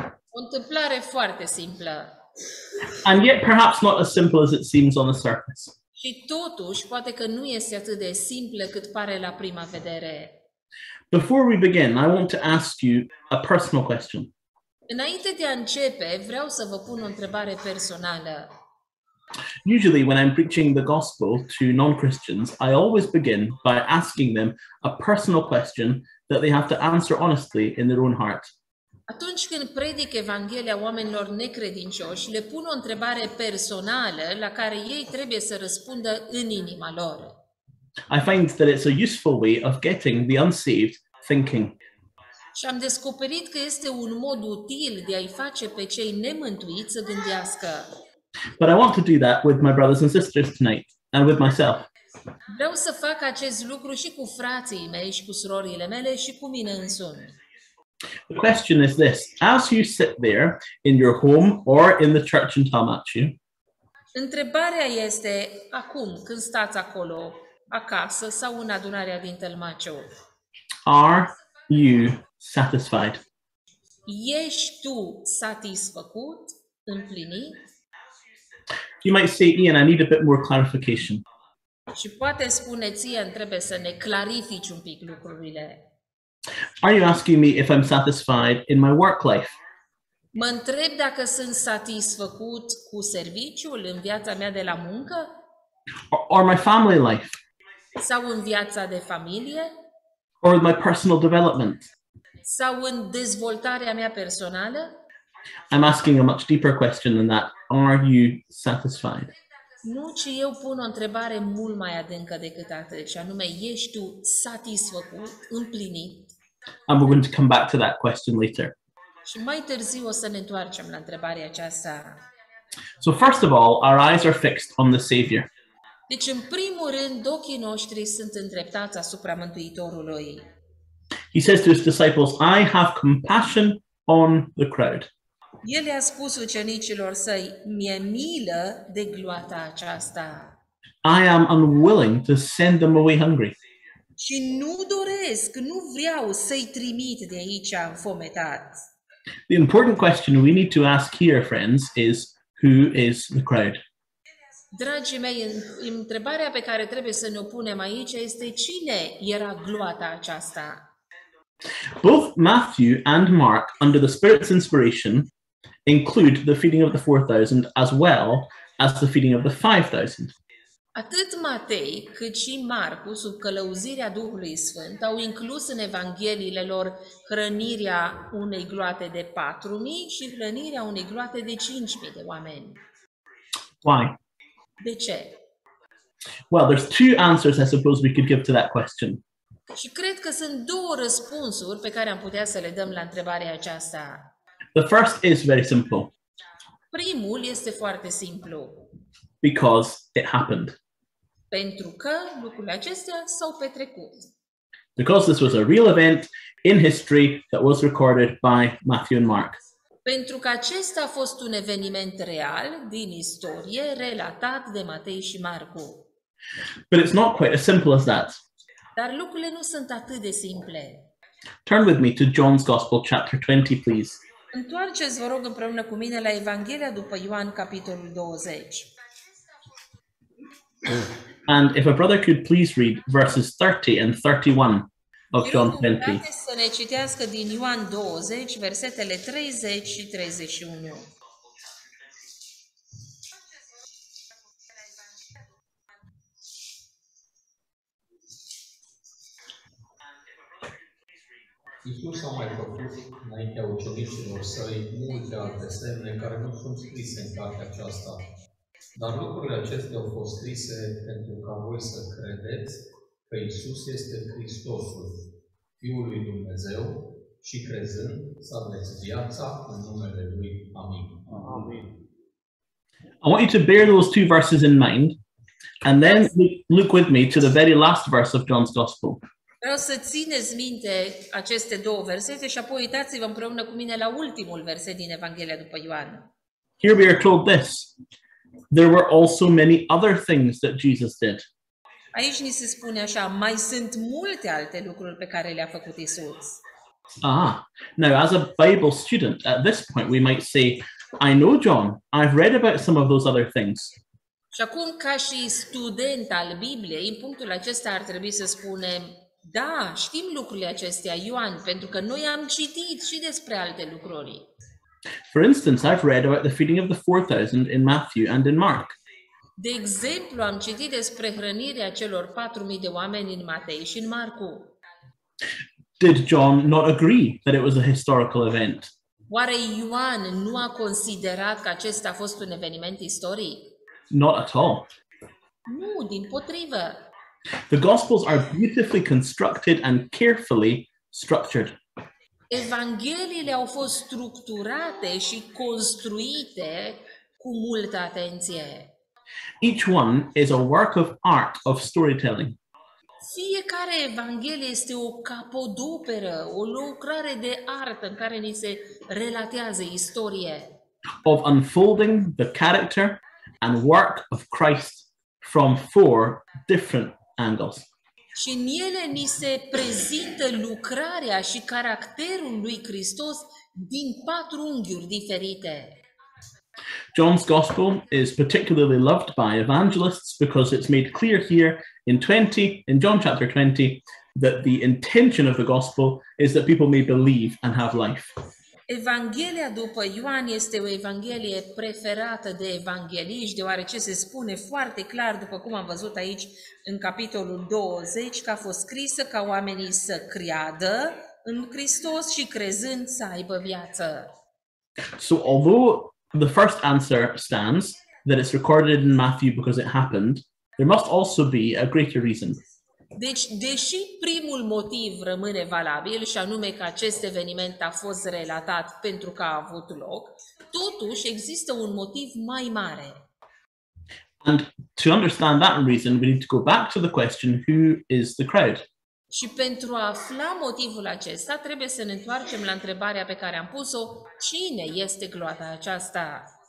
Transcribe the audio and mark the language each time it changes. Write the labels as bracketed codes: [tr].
[ro] O întâmplare foarte simplă. [en] And yet perhaps not as simple as it seems on the surface. [ro] Și totuși, poate că nu este atât de simplă cât pare la prima vedere. [en] Before we begin, I want to ask you a personal question. [ro] Înainte de a începe, vreau să vă pun o întrebare personală. [en] Usually when I'm preaching the gospel to non-Christians, I always begin by asking them a personal question that they have to answer honestly in their own heart. [ro] Atunci când predic Evanghelia oamenilor necredincioși, le pun o întrebare personală la care ei trebuie să răspundă în inima lor. [en] I find that it's a useful way of getting the unsaved thinking. [ro] Și am descoperit că este un mod util de a-i face pe cei nemântuiți să gândească. [en] But I want to do that with my brothers and sisters tonight, and with myself. [ro] Vreau să fac acest lucru și cu frații mei și cu surorile mele și cu mine însumi. [en] The question is this: as you sit there in your home or in the church in Tamachi. [ro] Întrebarea este acum când stați acolo, acasă sau în adunarea din Tălmaceu. [en] Are you satisfied? [ro] Ești tu satisfăcut, împlinit? [en] You might say, Ian, I need a bit more clarification. [ro] Și poate spuneți, Ian, trebuie să ne clarifici un pic lucrurile. [en] Are you asking me if I'm satisfied in my work life? [ro] Mă întreb dacă sunt satisfăcut cu serviciul în viața mea de la muncă? [en] Or my family life? [ro] Sau în viața de familie? [en] Or my personal development? [ro] Sau în dezvoltarea mea personală? [en] I'm asking a much deeper question than that. Are you satisfied? [ro] Nu, ci eu pun o întrebare mult mai adâncă decât atât, și anume, ești tu satisfăcut, împlinit? [en] And we're going to come back to that question later. [ro] Și mai târziu o să ne întoarcem la întrebarea aceasta. [en] So first of all, our eyes are fixed on the Savior. [ro] Deci, în primul rând, ochii noștri sunt îndreptați asupra Mântuitorului. [en] He says to his disciples, I have compassion on the crowd. [ro] El i-a spus ucenicilor săi, mi-e milă de gloata aceasta. [en] I am unwilling to send them away hungry. [ro] Și nu doresc, nu vreau să-i trimit de aici înfometați. [en] The important question we need to ask here, friends, is who is the crowd? [ro] Dragii mei, întrebarea pe care trebuie să ne-o punem aici este cine era gloata aceasta? [en] Both Matthew and Mark, under the Spirit's inspiration, include the feeding of the 4,000 as well as the feeding of the 5,000. [ro] Atât Matei, cât și Marcu, sub călăuzirea Duhului Sfânt, au inclus în evangheliile lor hrănirea unei gloate de 4,000 și hrănirea unei gloate de 5,000 de oameni. [en] Why? [ro] De ce? [en] Well, there's two answers I suppose we could give to that question. [ro] Și cred că sunt două răspunsuri pe care am putea să le dăm la întrebarea aceasta. [en] The first is very simple. [ro] Primul este foarte simplu. [en] Because it happened. [ro] Pentru că lucrurile acestea s-au petrecut. [en] Because this was a real event in history that was recorded by Matthew and Mark. [ro] Pentru că acesta a fost un eveniment real din istorie relatat de Matei și Marcu. [en] But it's not quite as simple as that. [ro] Dar lucrurile nu sunt atât de simple. [en] Turn with me to John's Gospel, chapter 20, please. [ro] Întoarceți-vă, rog, împreună cu mine la Evanghelia după Ioan, capitolul 20. [en] And if a brother could please read verses 30 and 31 of John 20. [ro] Să ne citească din Ioan 20, versetele 30 și 31. Iisus a mai făcut înaintea ucenicilor săi multe alte semne care nu sunt scrise în cartea aceasta. Dar lucrurile acestea au fost scrise pentru ca voi să credeți că Iisus este Hristosul, Fiul lui Dumnezeu, și crezând să aveți viața în numele Lui. Amin. Amin. [en] I want you to bear those two verses in mind and then look with me to the very last verse of John's Gospel. [ro] Vreau să țineți minte aceste două versete și apoi uitați-vă împreună cu mine la ultimul verset din Evanghelia după Ioan. [en] Here we are told this. There were also many other things that Jesus did. [ro] Aici ni se spune așa, mai sunt multe alte lucruri pe care le-a făcut Isus. [en] Ah, now as a Bible student, at this point we might say, I know John, I've read about some of those other things. [ro] Și acum, ca și student al Bibliei, în punctul acesta ar trebui să spunem, da, știm lucrurile acestea, Ioan, pentru că noi am citit și despre alte lucruri. [en] For instance, I've read about the feeding of the 4,000 in Matthew and in Mark. [ro] De exemplu, am citit despre hrănirea celor 4.000 de oameni în Matei și în Marcu. [en] Did John not agree that it was a historical event? [ro] Oare Ioan nu a considerat că acesta a fost un eveniment istoric? [en] Not at all. [ro] Nu, dimpotrivă. [en] The Gospels are beautifully constructed and carefully structured. [ro] Evangheliile au fost structurate și construite cu multă atenție. [en] Each one is a work of art of storytelling. [ro] Fiecare evanghelie este o capodoperă, o lucrare de artă în care ni se relatează istorie. [en] Of unfolding the character and work of Christ from four different angles. [ro] Și în ele ni se prezintă lucrarea și caracterul lui Hristos din patru unghiuri diferite. [en] John's Gospel is particularly loved by evangelists because it's made clear here in John chapter 20 that the intention of the Gospel is that people may believe and have life. [ro] Evanghelia după Ioan este o evanghelie preferată de evangheliști, deoarece se spune foarte clar, după cum am văzut aici în capitolul 20, că a fost scrisă ca oamenii să creadă în Hristos și crezând să aibă viață. [en] So although the first answer stands, that it's recorded in Matthew because it happened, there must also be a greater reason. [ro] Deci, deși primul motiv rămâne valabil, și anume că acest eveniment a fost relatat pentru că a avut loc, totuși există un motiv mai mare. [en] And to understand that reason, we need to go back to the question, who is the crowd? [ro] Și pentru a afla motivul acesta, trebuie să ne întoarcem la întrebarea pe care am pus-o, cine este gloata aceasta?